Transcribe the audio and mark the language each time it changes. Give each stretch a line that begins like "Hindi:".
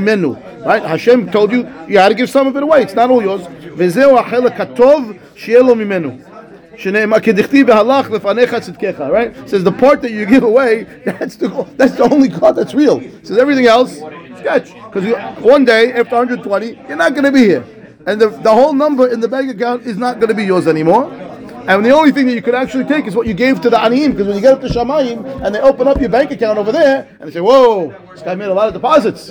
English: Right? Hashem told you, you had to give some of it away. It's not all yours.
Hebrew: וזהו החלק הטוב שיהיה לו ממנו. שנאמר, כדכתיב בהלך לפניך צדקך, right?
English: It says the part that you give away, that's the only God that's real. It says everything else, sketch. Because one day, after 120, you're not going to be here. And the whole number in the bank account is not going to be yours anymore. And the only thing that you could actually take is what you gave to the aniim. Because when you get up to Shamayim, and they open up your bank account over there, and they say, whoa, this guy made a lot of deposits.